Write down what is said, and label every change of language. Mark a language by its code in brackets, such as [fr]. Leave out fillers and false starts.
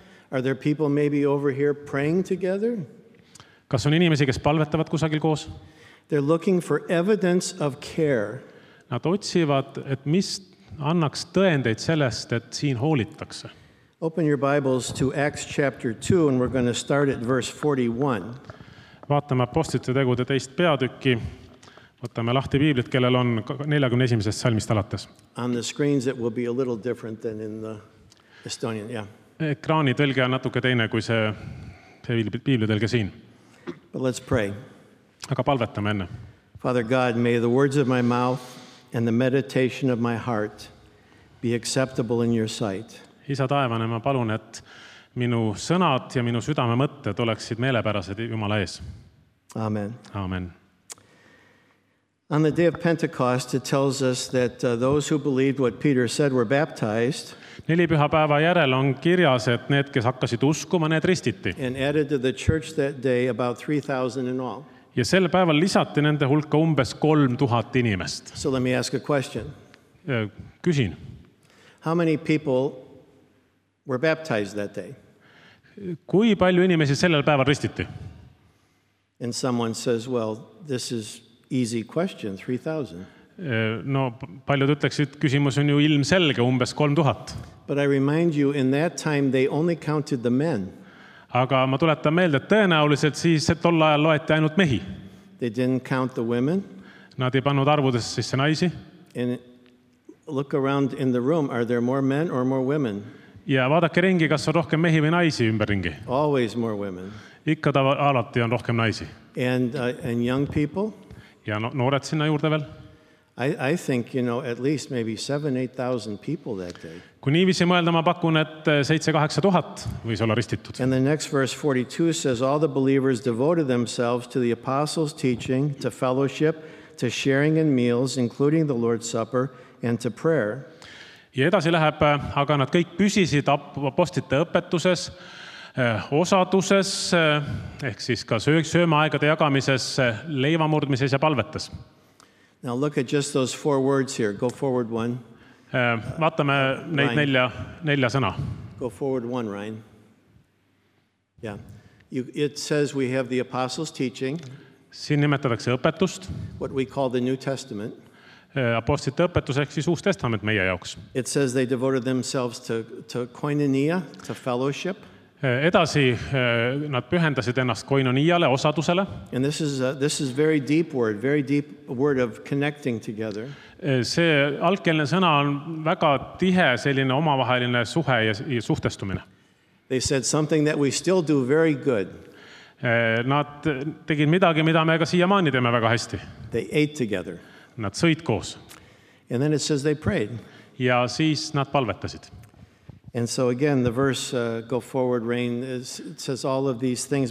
[en] Are there people maybe over here praying together? [et] Kas on inimesi, kes palvetavad kusagil koos? [en] They're looking for evidence of care. [et] Nad otsivad, et mis annaks tõendeid sellest, et siin hoolitakse. [en] Open your Bibles to Acts chapter 2 and we're going to start at verse 41. [et] Vaatame Apostlite tegude teist peatükki. Võtame lahti piiblit, kellel on 41. salmist alates. [en] On the screens it will be a little different than in the Estonian, yeah. [et] Ekraani tõlge on natuke teine kui see piiblitõlge siin. [en] But let's pray. [et] Aga palvetame enne. [en] Father God, may the words of my mouth and the meditation of my heart be acceptable in your sight. [et] Isa taevane, ma palun, et minu sõnad ja minu südame mõtted oleksid meelepärased Jumala ees. [en] Amen. [et] Amen. [en] On the day of Pentecost, it tells us that those who believed what Peter said were baptized. [et] Nelipüha päeva järel on kirjas, et need, kes hakkasid uskuma, need ristiti. [en] And added to the church that day about 3,000 in all. [et] Ja sel päeval lisati nende hulka umbes 3000 inimest. [en] So let me ask a question. [et] Küsin. [en] How many people were baptized that day? [et] Kui palju inimesi sellel päeval ristiti? [en] And someone says, well, this is easy question, 3,000. [et] No, paljud ütleksid, küsimus on ju ilmselge, umbes 3,000. [en] But I remind you, in that time they only counted the men. [et] Aga ma tuletan meelde, et tõenäoliselt siis tol ajal loeti ainult mehi. [en] They didn't count the women. [et] Nad ei pannud arvudes sisse naisi. [en] And look around in the room, are there more men or more women? [et] Ja vaadake ringi, kas on rohkem mehi või naisi ümberringi. [en] Always more women. [et] Ikka ta alati on rohkem naisi. [en] And young people. [et] Ja noored sinna juurde veel. [en] I think, you know, at least maybe 7,000-8,000 people that day. [et] Kui niivisi mõelda, ma pakun, et 7,000-8,000 võis olla ristitud. [en] And the next verse 42 says, all the believers devoted themselves to the apostles' teaching, to fellowship, to sharing in meals, including the Lord's Supper, and to prayer. [et] Ja edasi läheb, aga nad kõik püsisid apostlite õpetuses, osaduses, ehk siis ka söömaaegade jagamises, leivamurdmises ja palvetes. [en] Now look at just those four words here. Go forward one. [et] Vaatame neid nelja sõna. [en] Go forward one, Ryan. Yeah. It says we have the apostles' teaching. [et] Siin nimetatakse õpetust. [en] What we call the New Testament. [et] Apostlite õpetus, ehk siis Uus Testament meie jaoks. [en] It says they devoted themselves to koinonia, to fellowship. [et] Edasi nad pühendasid ennast koinoniale, osadusele. [en] And this is very deep word, very deep word of connecting together. [et] See algkeelne sõna on väga tihe selline omavaheline suhe ja suhtestumine. [en] They said something that we still do very good. [et] Nad tegid midagi, mida me ka siia maani teeme väga hästi. [en] They ate together. [et] Nad sõid koos. [en] And then it says they prayed. [et] Ja siis nad palvetasid. [en] And so again, the verse, go forward, Rain, it says all of these things.